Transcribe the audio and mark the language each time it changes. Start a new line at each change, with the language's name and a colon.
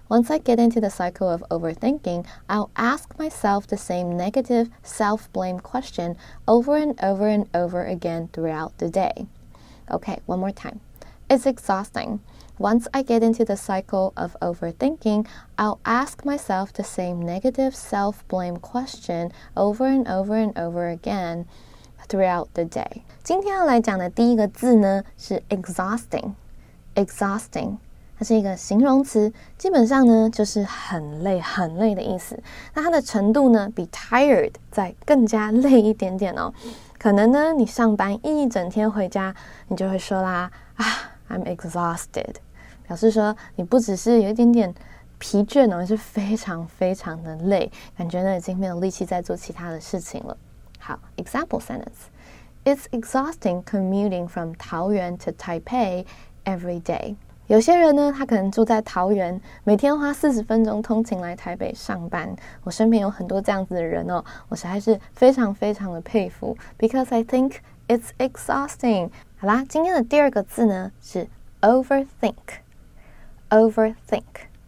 English: Once I get into the cycle of overthinking, I'll ask myself the same negative self-blame question over and over and over again throughout the day. Okay, one more time. It's exhausting. Once I get into the cycle of overthinking, I'll ask myself the same negative self-blame question over and over and over again throughout the day.
Chinese: 今天要来讲的第一个字呢是 exhausting. Exhausting. 它是一个形容词，基本上呢就是很累很累的意思。那它的程度呢比 tired 再更加累一点点哦。可能呢你上班一整天回家，你就会说啦啊。
English: I'm exhausted.
Chinese: 表示说你不只是有一点点疲倦，而是非常非常的累，感觉呢已经没有力气再做其他的事情了。
English: 好， example sentence. It's exhausting commuting from 桃园 to Taipei every day.
Chinese: 有些人呢他可能住在桃园，每天花40分钟通勤来台北上班。我身边有很多这样子的人哦，我实在是非常非常的佩服，
English: because I think it's exhausting.
Chinese: 好啦，今天的第二个字呢是 overthink, overthink.